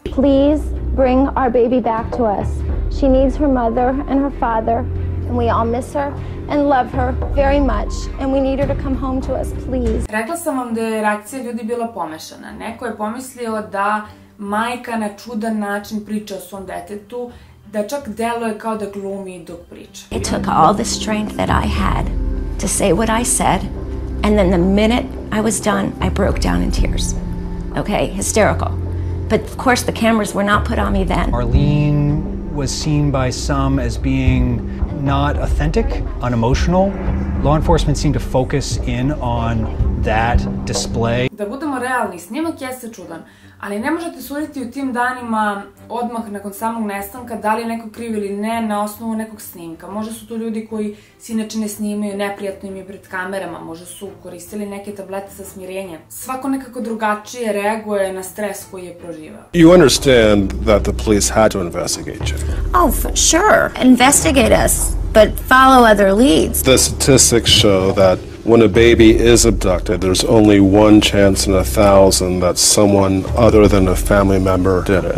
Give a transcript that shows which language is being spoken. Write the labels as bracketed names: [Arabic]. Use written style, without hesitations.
[English] Please bring our baby back to us. She needs her mother and her father, and we all miss her and love her very much, and we need her to come home to us, please. [Serbian] Rekla sam vam da je reakcija ljudi bila pomešana. Neko je pomislio da majka na čudan način priča o svom detetu, da čak deluje kao da glumi dok priča. [English] It took all the strength that I had to say what I said, and then the minute I was done, I broke down in tears. Okay, hysterical. But of course the cameras were not put on me then. Arlene was seen by some as being not authentic, unemotional. Law enforcement seemed to focus in on that display. [Serbian] Da budemo realni, snimak jeste čudan, ali ne možete suditi u tim danima odmah nakon samog nestanka da li je neko kriv ili ne na osnovu nekog snimka. Možda su to ljudi koji se inače ne snimaju, neprijatno im je pred kamerama, možda su koristili neke tablete za smirenje. Svako nekako drugačije reaguje na stres koji je proživao. [English] You understand that the police had to investigate you. Oh, for sure. Investigate us, but follow other leads. The statistics show that when a baby is abducted, there's only one chance in a thousand that someone other than a family member did it.